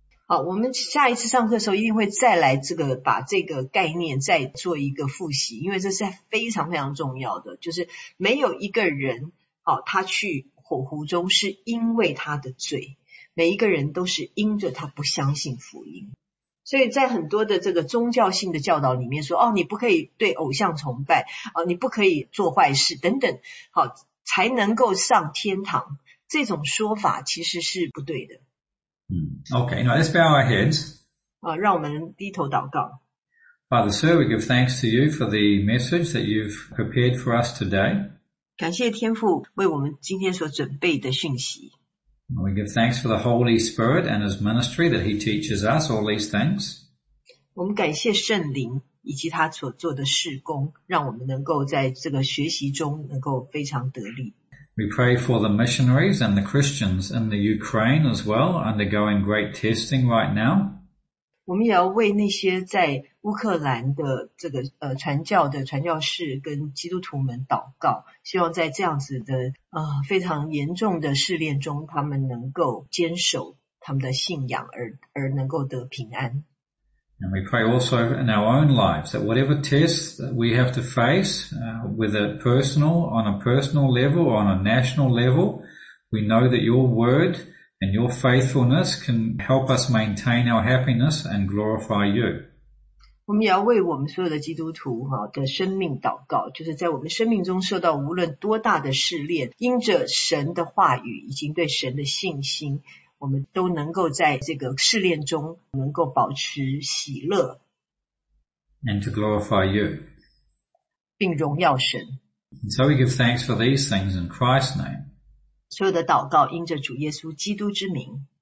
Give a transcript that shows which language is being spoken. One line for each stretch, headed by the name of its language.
Chinese: 好，我们下一次上课的时候一定会再来这个，把这个概念再做一个复习，因为这是非常非常重要的，就是没有一个人他去火湖中是因为他的罪，每一个人都是因着他不相信福音。所以在很多的这个宗教性的教导里面说，哦，你不可以对偶像崇拜，哦，你不可以做坏事等等，好，才能够上天堂，这种说法其实是不对的。
English: Okay, now let's bow our heads.
Chinese: 让我们低头祷告。
English: Father, sir, we give thanks to you for the message that you've prepared for us today.
Chinese: 感谢天父为我们今天所准备的讯息。
English: We give thanks for the Holy Spirit and His ministry that He teaches us all these things.
Chinese: 我们感谢圣灵以及他所做的事工，让我们能够在这个学习中能够非常得力。
English: We pray for the missionaries and the Christians in the Ukraine as well, undergoing great testing right now.
Chinese: 我们也要为那些在乌克兰的这个传教的传教士跟基督徒们祷告，希望在这样子的非常严重的试炼中，他们能够坚守他们的信仰而能够得平安。
English: And we pray also in our own lives that whatever tests that we have to face, whether personal, on a personal level or on a national level, we know that your word and your faithfulness can help us maintain our happiness and glorify you.
Chinese: 我们也要为我们所有的基督徒的生命祷告，就是在我们生命中受到无论多大的试炼，因着神的话语以及对神的信心，我们都能够在这个试炼中能够保持喜乐
English: and to glorify you
Chinese: 并荣耀神。
English: And so we give thanks for these things in Christ's name.
Chinese: 所有的祷告因着主耶稣基督之名。